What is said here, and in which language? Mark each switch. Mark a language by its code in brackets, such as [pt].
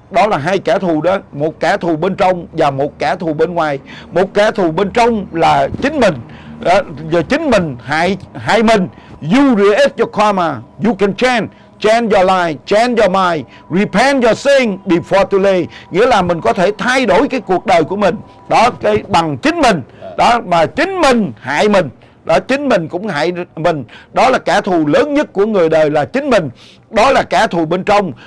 [vi] Đó là hai kẻ thù đó, một kẻ thù bên trong và một kẻ thù bên ngoài. Một kẻ thù bên trong là chính mình đó, và chính mình hại mình. [en] You react your karma, you can change. Change your life, change your mind, repent your sin before too late. [vi] Nghĩa là mình có thể thay đổi cái cuộc đời của mình đó, cái bằng chính mình đó, mà chính mình hại mình đó, chính mình cũng hại mình. Đó là kẻ thù lớn nhất của người đời là chính mình. Đó là kẻ thù bên trong.